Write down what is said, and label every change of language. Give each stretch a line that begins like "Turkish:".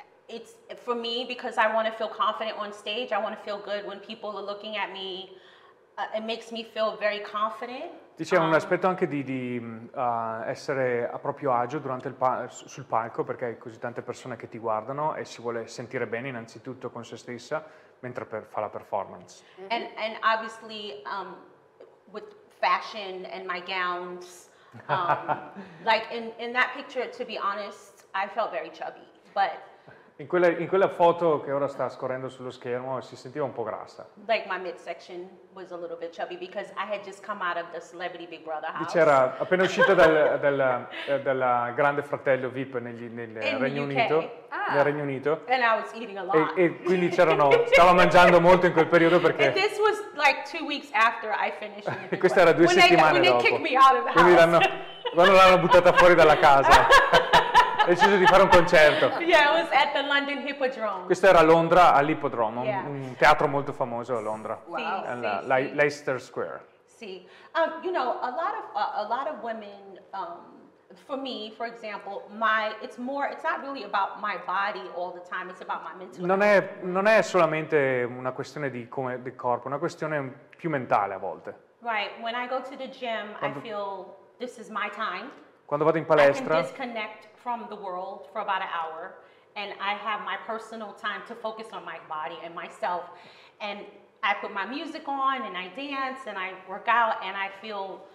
English: It's for me, because I want to feel confident on stage. I want to feel good when people are looking at me. It makes me feel very confident.
Italian: Diciamo un aspetto anche di essere a proprio agio durante sul palco, perché hai così tante persone che ti guardano e si vuole sentire bene innanzitutto con se stessa mentre fa la performance.
English: And obviously with fashion and my gowns, like in that picture, to be honest, I felt very chubby, but
Italian: In quella foto che ora sta scorrendo sullo schermo si sentiva un po' grassa.
English: Like my midsection was a little bit chubby because I had just come out of the Celebrity Big Brother house.
Italian: C'era appena uscita dal Grande Fratello VIP nel Regno Unito.
English: And I was eating a lot.
Italian: E quindi stava mangiando molto in quel periodo, perché...
English: And this was like 2 weeks after I finished.
Italian: E questa era due settimane dopo.
English: When they kicked me out of the house.
Italian: Quando l'hanno buttata fuori dalla casa. deciso di fare un concerto.
English: Yeah, it was at the London Hippodrome.
Italian: Questo era a Londra, all'Ippodromo, un teatro molto famoso a Londra. Wow.
English: And, Leicester Square.
Italian: Sì.
English: You know, a lot of women, for me, for example, it's not really about my body all the time, it's about my mental health.
Italian: Non è solamente una questione di come del corpo, è una questione più mentale a volte.
English: Right, when I go to the gym, I feel this is my time.
Italian: Quando vado in palestra,
English: I can disconnect from the world for about an hour and I have my personal time to focus on my body and myself, and I put my music on and I dance and I work out and I feel